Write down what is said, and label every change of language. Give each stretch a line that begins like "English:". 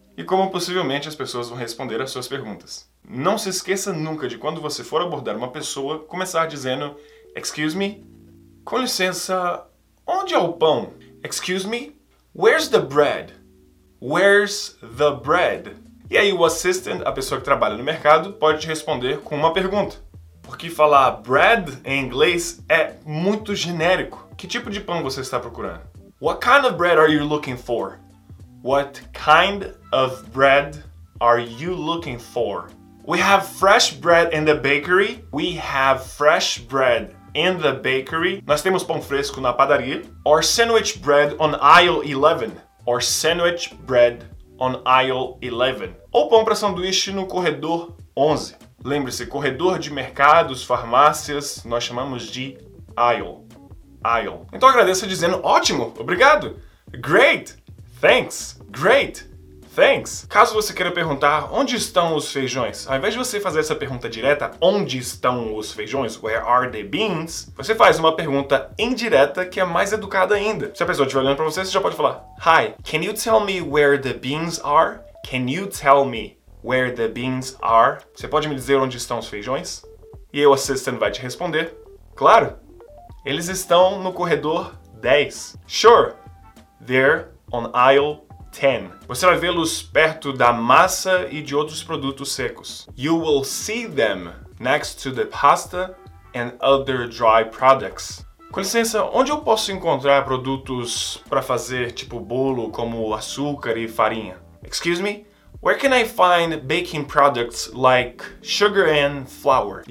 Portuguese: E como possivelmente as pessoas vão responder as suas perguntas. Não se esqueça nunca de quando você for abordar uma pessoa, começar dizendo
English: excuse me,
Portuguese: com licença, onde é o pão?
English: Excuse me, where's the bread? Where's the bread?
Portuguese: E aí o assistant, a pessoa que trabalha no mercado, pode te responder com uma pergunta. Porque falar bread em inglês é muito genérico. Que tipo de pão você está procurando?
English: What kind of bread are you looking for? What kind of bread are you looking for? We have fresh bread in the bakery. We have fresh bread in the bakery.
Portuguese: Nós temos pão fresco na padaria.
English: Or sandwich bread on aisle 11. Or sandwich bread on aisle 11.
Portuguese: Ou pão para sanduíche no corredor 11. Lembre-se, corredor de mercados, farmácias, nós chamamos de aisle. Aisle. Então agradeça dizendo ótimo, obrigado.
English: Great, thanks. Great, thanks.
Portuguese: Caso você queira perguntar onde estão os feijões, ao invés de você fazer essa pergunta direta, onde estão os feijões,
English: where are the beans,
Portuguese: você faz uma pergunta indireta que é mais educada ainda. Se a pessoa estiver olhando para você, você já pode falar,
English: hi, can you tell me where the beans are? Can you tell me where the beans are?
Portuguese: Você pode me dizer onde estão os feijões? E aí o assistente vai te responder. Claro, eles estão no corredor 10.
English: Sure, they're on aisle 10.
Portuguese: Você vai vê-los perto da massa e de outros produtos secos.
English: You will see them next to the pasta and other dry products.
Portuguese: Com licença, onde eu posso encontrar produtos para fazer tipo bolo, como açúcar e farinha?
English: Excuse me? Where can I find baking products like sugar and flour?